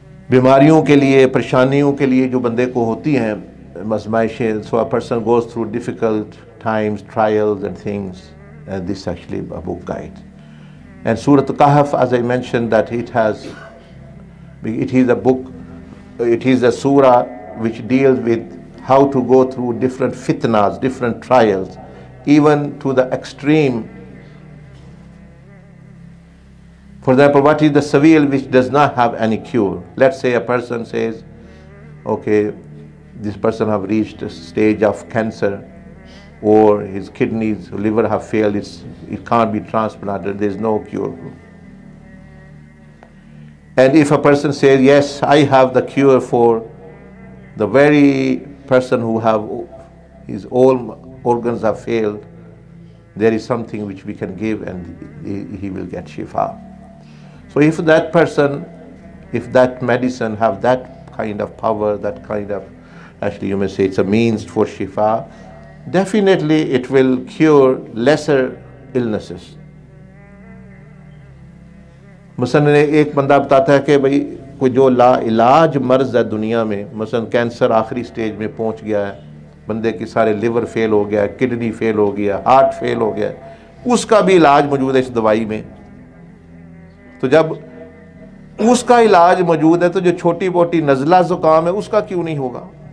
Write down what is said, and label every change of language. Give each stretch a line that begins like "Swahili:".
Urdu: بیماریوں کے لئے پریشانیوں کے لئے جو بندے کو ہوتی ہیں مزمائشیں
English: so a person goes through difficult times trials and things and this actually a book guide and سورة قحف as I mentioned that it has It is a book, it is a surah which deals with how to go through different fitnahs, different trials, even to the extreme. For example, what is the severe which does not have any cure? Let's say a person says, okay, this person have reached a stage of cancer or his kidneys, liver have failed, it can't be transplanted, there's no cure. And if a person says, yes, I have the cure for the very person who have his own organs have failed, there is something which we can give and he will get shifa. So if that person, if that medicine have that kind of power, that kind of, actually you may say it's a means for shifa, definitely it will cure lesser illnesses.
Urdu: مثلا ایک بندہ بتاتا ہے کہ بھئی کوئی جو لا علاج مرض ہے دنیا میں مثلا کینسر آخری سٹیج میں پہنچ گیا ہے بندے کی سارے لیور فیل ہو گیا ہے کڈنی فیل ہو گیا ہے ہارٹ فیل ہو گیا ہے اس کا بھی علاج موجود ہے اس دوائی میں تو جب اس کا علاج موجود ہے تو جو چھوٹی بوٹی نزلہ زکام ہے اس کا کیوں نہیں ہوگا